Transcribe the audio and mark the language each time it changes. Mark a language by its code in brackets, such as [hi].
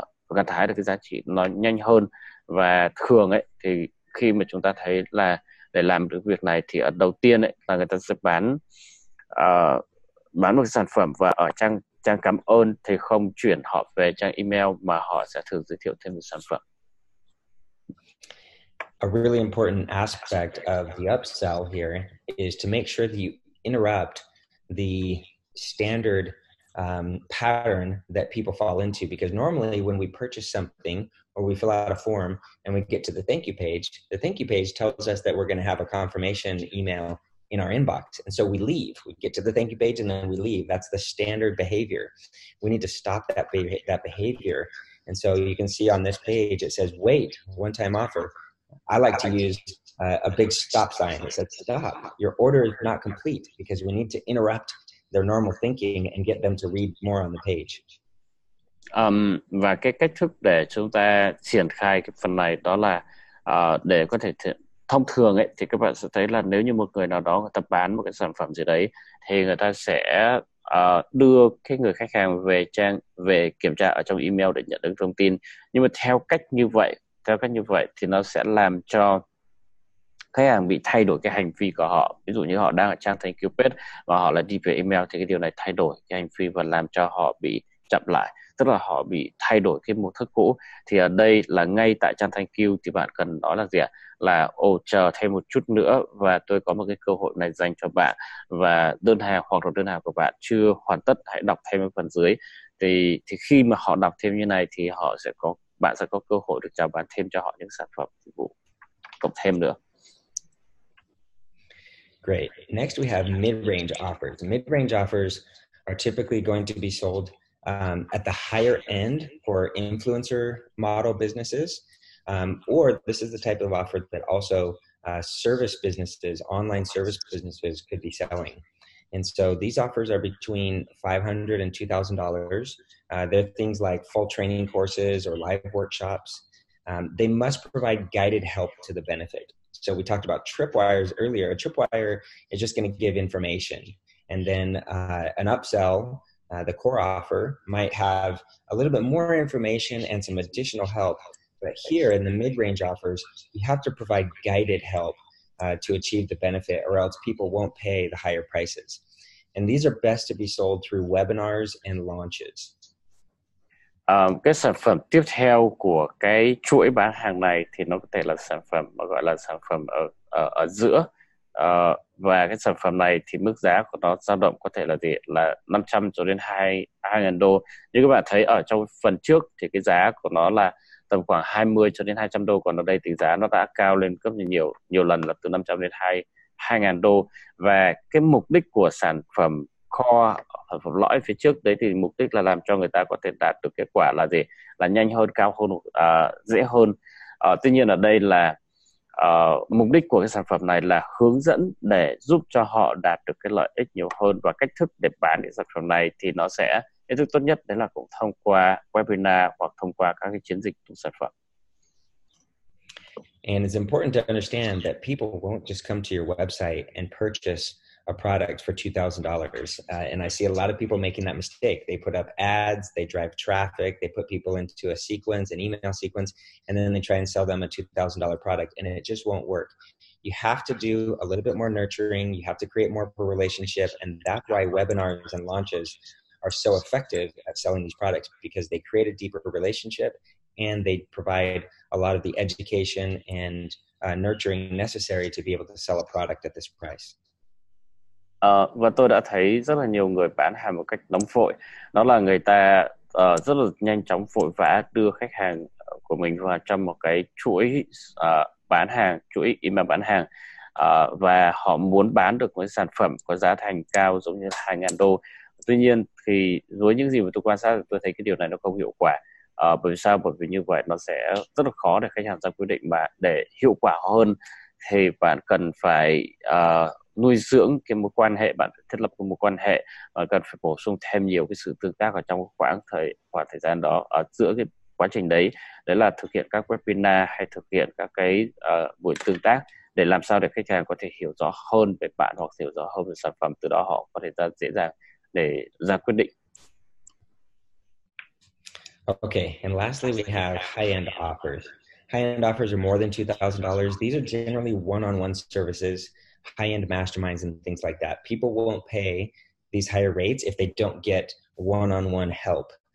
[vi] và gặt hái được cái giá trị nó nhanh hơn. Và thường ấy thì khi mà chúng ta thấy là để làm được việc này thì đầu tiên ấy là người ta sẽ bán một cái sản phẩm, và ở trang trang cảm ơn thì không chuyển họ về trang email mà họ sẽ thử giới thiệu thêm một sản phẩm. [en] A really important aspect of the upsell here is to make sure that you interrupt the standard pattern that people fall into, because normally when we purchase something or we fill out a form and we get to the thank you page tells us that we're going to have a confirmation email in our inbox. And so we leave, we get to the thank you page and then we leave. That's the standard behavior. We need to stop that behavior. And so you can see on this page, it says, wait, one time offer. I like to use a big stop sign that says, stop, your order is not complete, because we need to interrupt their normal thinking and get them to read more on the page. [vi] Và cái cách thức để chúng ta triển khai cái phần này đó là để có thể thông thường ấy, thì các bạn sẽ thấy là nếu như một người nào đó người ta bán một cái sản phẩm gì đấy thì người ta sẽ đưa cái người khách hàng về trang về kiểm tra ở trong email để nhận được thông tin. Nhưng mà theo cách như vậy thì nó sẽ làm cho khách hàng bị thay đổi cái hành vi của họ. Ví dụ như họ đang ở trang thank you page và họ lại đi về email, thì cái điều này thay đổi cái hành vi và làm cho họ bị chậm lại, tức là họ bị thay đổi cái mô thức cũ. Thì ở đây là ngay tại trang thank you thì bạn cần nói là gì ạ? Là ồ, chờ thêm một chút nữa và tôi có một cái cơ hội này dành cho bạn, và đơn hàng hoặc là đơn hàng của bạn chưa hoàn tất, hãy đọc thêm phần dưới. Thì khi mà họ đọc thêm như này thì họ sẽ có, bạn sẽ có cơ hội được chào bán thêm cho họ những sản phẩm dịch vụ cộng thêm nữa. [en] Great. Next we have mid-range offers. Mid-range offers are typically going to be sold at the higher end for influencer model businesses, or this is the type of offer that also service businesses, online service businesses could be selling. And so these offers are between $500 and $2,000. They're things like full training courses or live workshops. They must provide guided help to the benefit. So we talked about tripwires earlier. A tripwire is just going to give information. And then an upsell, the core offer, might have a little bit more information and some additional help. But here in the mid-range offers, you have to provide guided help to achieve the benefit, or else people won't pay the higher prices. And these are best to be sold through webinars and launches. [vi] Cái sản phẩm tiếp theo của cái chuỗi bán hàng này thì nó có thể là sản phẩm mà gọi là sản phẩm ở giữa. Và cái sản phẩm này thì mức giá của nó dao động có thể là gì? Là 500 cho đến 2.000 đô. Như các bạn thấy ở trong phần trước thì cái giá của nó là tầm khoảng 20 cho đến 200 đô, còn ở đây thì giá nó đã cao lên gấp nhiều nhiều lần, là từ 500 đến 2.000 đô. Và cái mục đích của sản phẩm core, sản phẩm lõi phía trước đấy, thì mục đích là làm cho người ta có thể đạt được kết quả là gì? Là nhanh hơn, cao hơn, dễ hơn. Tuy nhiên ở đây là mục đích của cái sản phẩm này là hướng dẫn để giúp cho họ đạt được cái lợi ích nhiều hơn, và cách thức để bán cái sản phẩm này thì nó sẽ cái thứ tốt nhất đấy là cũng thông qua webinar hoặc thông qua các cái chiến dịch của sản phẩm. [en] And it's important to understand that people won't just come to your website and purchase a product for $2,000. And I see a lot of people making that mistake. They put up ads, they drive traffic, they put people into a sequence, an email sequence, and then they try and sell them a $2,000 product, and it just won't work. You have to do a little bit more nurturing, you have to create more of a relationship, and that's why webinars and launches are so effective at selling these products, because they create a deeper relationship and they provide a lot of the education and nurturing necessary to be able to sell a product at this price. [vi] Và tôi đã thấy rất là nhiều người bán hàng một cách nóng vội. Đó là người ta rất là nhanh chóng vội vã đưa khách hàng của mình vào trong một cái chuỗi bán hàng, chuỗi email bán hàng. Và họ muốn bán được một sản phẩm có giá thành cao giống như 2.000 đô. Tuy nhiên thì với những gì mà tôi quan sát, tôi thấy cái điều này nó không hiệu quả. Bởi vì sao? Bởi vì như vậy nó sẽ rất là khó để khách hàng ra quyết định. Mà để hiệu quả hơn thì bạn cần phải nuôi dưỡng cái mối quan hệ, bạn thiết lập một mối quan hệ, và cần phải bổ sung thêm nhiều cái sự tương tác ở trong khoảng thời gian đó, ở giữa cái quá trình đấy. Đấy là thực hiện các webinar hay thực hiện các cái buổi tương tác để làm sao để khách hàng có thể hiểu rõ hơn về bạn hoặc hiểu rõ hơn về sản phẩm, từ đó họ có thể ra dễ dàng để ra quyết định. [en] Okay, and lastly, we have high-end offers. High-end offers are more than $2,000. These are generally one-on-one services, high-end masterminds and things like that. People won't pay these higher rates if they don't get one-on-one help.